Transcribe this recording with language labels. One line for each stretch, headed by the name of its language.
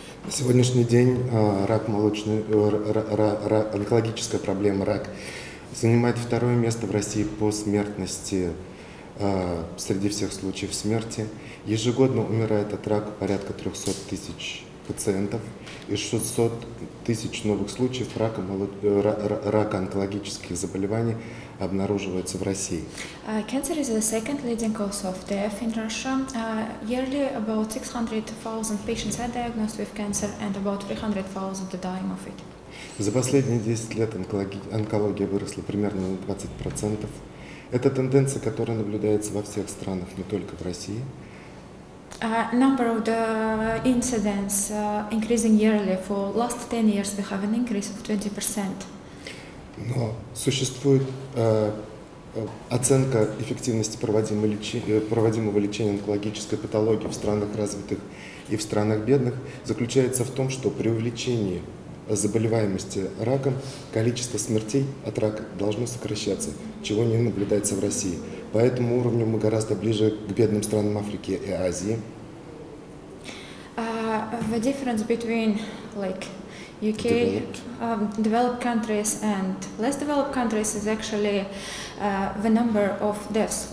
Russian: Сегодняшний день рак молочной, онкологическая проблема рак занимает второе место в России по смертности среди всех случаев смерти. Ежегодно умирает от рака порядка 300 тысяч пациентов и 600 тысяч новых случаев рака онкологических заболеваний обнаруживается в России.
English: Cancer is the second leading cause of death in Russia. Yearly about 600,000 patients are diagnosed with cancer and about 300,000 are dying of it.
Russian: За последние 10 лет онкология выросла примерно на 20%. Это тенденция, которая наблюдается во всех странах, не только в России.
English: Number of the incidents increasing yearly for last 10 years we have an increase of 20%.
Russian: Но существует оценка эффективности проводимого лечения онкологической патологии в странах развитых и в странах бедных заключается в том, что при увеличении заболеваемости раком количество смертей от рака должно сокращаться, чего не наблюдается в России. По этому уровню мы гораздо ближе к бедным странам Африки и Азии.
English: The difference between like UK, developed countries and less developed countries is actually the number of deaths.